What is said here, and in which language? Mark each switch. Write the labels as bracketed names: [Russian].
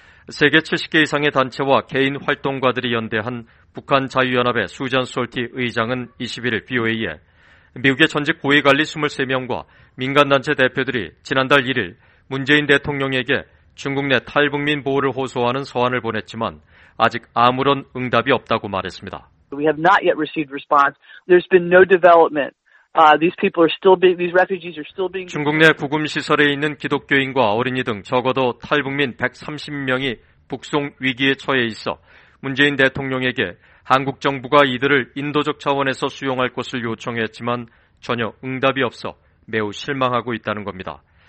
[Korean] 세계 70개 이상의 단체와 개인 활동가들이 연대한 북한자유연합의 수잔 솔티 의장은 21일 BOA에 미국의 전직 고위관리 23명과 민간단체 대표들이 지난달 1일 문재인 대통령에게 중국 내 탈북민 보호를 호소하는 서한을 보냈지만 아직 아무런 응답이 없다고 말했습니다. [English] We have not yet received response. There's been no development. These people are still being, these refugees are still being. [Korean] 중국 내 구금 시설에 있는 기독교인과 어린이 등 적어도 탈북민 130명이 북송 위기에 처해 있어 문재인 대통령에게 한국 정부가 이들을 인도적 차원에서 수용할 것을 요청했지만 전혀 응답이 없어 매우 실망하고 있다는 겁니다.